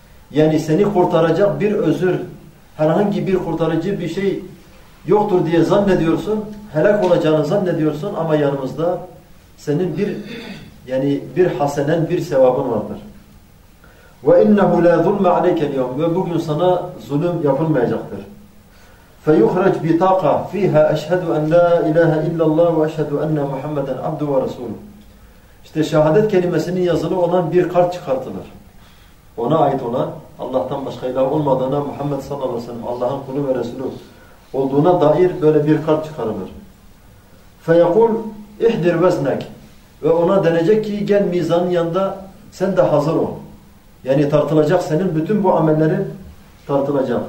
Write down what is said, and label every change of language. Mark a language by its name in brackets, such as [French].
[Turkish] Yani seni kurtaracak bir özür, herhangi bir kurtarıcı bir şey yoktur diye zannediyorsun, helak olacağını zannediyorsun ama yanımızda senin bir, yani bir hasenen, bir sevabın vardır. [Arabic] وَاِنَّهُ لَا ذُلْمَ عَلَيْكَ الْيَوْمِ [Turkish] Ve bugün sana zulüm yapılmayacaktır. [Arabic] فَيُخْرَجْ بِطَاقَ فِيهَا أَشْهَدُ أَنْ لَا إِلَٰهَ إِلَّا اللّٰهُ وَأَشْهَدُ أَنَّ مُحَمَّدًا عَبْدُ وَرَسُولُ [Turkish] İşte şehadet kelimesinin yazılı olan bir kart çıkartılır. Ona ait olan, Allah'tan başka ilah olmadığına, Muhammed sallallahu aleyhi ve sellem Allah'ın kulu ve Resulü olduğuna dair böyle bir kart çıkarılır. [Arabic] فَيَقُلْ اِحْدِرْ وَزْنَكْ [Turkish] Ve ona denecek ki gel mizanın yanında sen de hazır ol. Yani tartılacak senin bütün bu amellerin tartılacak.